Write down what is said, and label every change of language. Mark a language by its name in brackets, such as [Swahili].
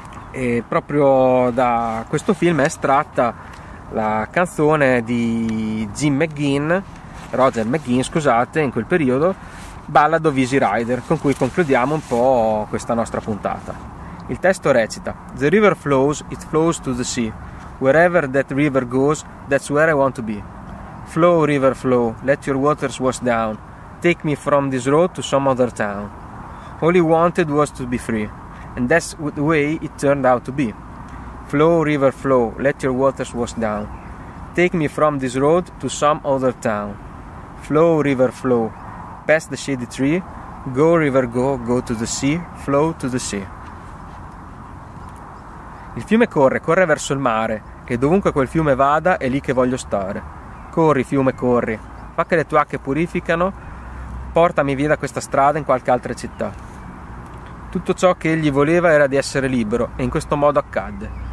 [Italian] E proprio da questo film è estratta la canzone di Roger McGinn, in quel periodo, Ballad of Easy Rider, con cui concludiamo un po' questa nostra puntata. Il testo recita: [English] The river flows, it flows to the sea. Wherever that river goes, that's where I want to be. Flow, river, flow, let your waters wash down. Take me from this road to some other town. All he wanted was to be free. And that's the way it turned out to be. Flow, river, flow, let your waters wash down. Take me from this road to some other town. Flow, river, flow, past the shady tree. Go, river, go, go to the sea, flow to the sea. [Italian] Il fiume corre, corre verso il mare, e dovunque quel fiume vada è lì che voglio stare. Corri, fiume, corri, fa che le tue acque purificano, portami via da questa strada in qualche altra città. Tutto ciò che egli voleva era di essere libero, e in questo modo accadde.